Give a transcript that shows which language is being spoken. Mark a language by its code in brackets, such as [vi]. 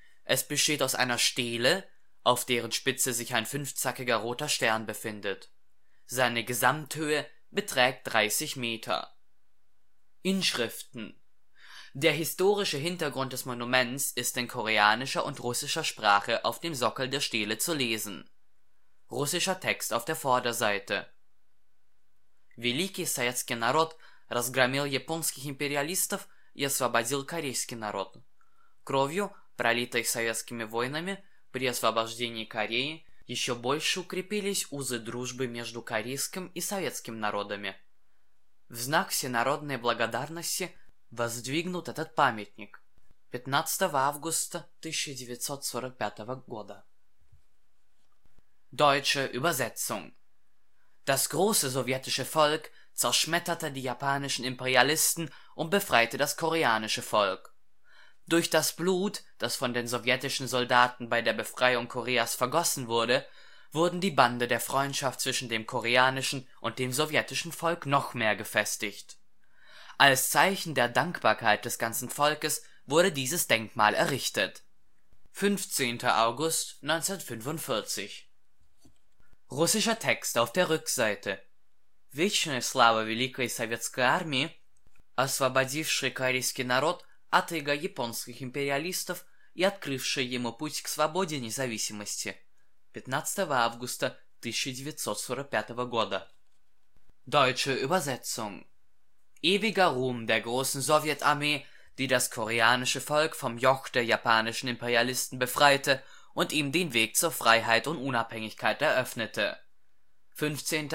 [de] Es besteht aus einer Stele, auf deren Spitze sich ein fünfzackiger roter Stern befindet. Seine Gesamthöhe beträgt 30 Meter. Inschriften: Der historische Hintergrund des Monuments ist in koreanischer und russischer Sprache auf dem Sockel der Stele zu lesen. Russischer Text auf der Vorderseite: [ru] Великий советский народ разгромил японских империалистов и освободил корейский народ. Кровью, пролитой советскими войнами при освобождении Кореи, еще больше укрепились узы дружбы между корейским и советским народами. В знак всенародной благодарности воздвигнут этот памятник 15 августа 1945 года. [de] Deutsche Übersetzung: Das große sowjetische Volk zerschmetterte die japanischen Imperialisten und befreite das koreanische Volk. Durch das Blut, das von den sowjetischen Soldaten bei der Befreiung Koreas vergossen wurde, wurden die Bande der Freundschaft zwischen dem koreanischen und dem sowjetischen Volk noch mehr gefestigt. Als Zeichen der Dankbarkeit des ganzen Volkes wurde dieses Denkmal errichtet. 15. August 1945. Russischer Text auf der Rückseite: [ru] Вечная слава великой советской армии, освободивший корейский народ от ига японских империалистов и открывший ему путь к свободе и независимости. 15. Августа 1945 года. [de] Deutsche Übersetzung: Ewiger Ruhm der großen Sowjetarmee, die das koreanische Volk vom Joch der japanischen Imperialisten befreite und ihm den Weg zur Freiheit und Unabhängigkeit eröffnete. 15.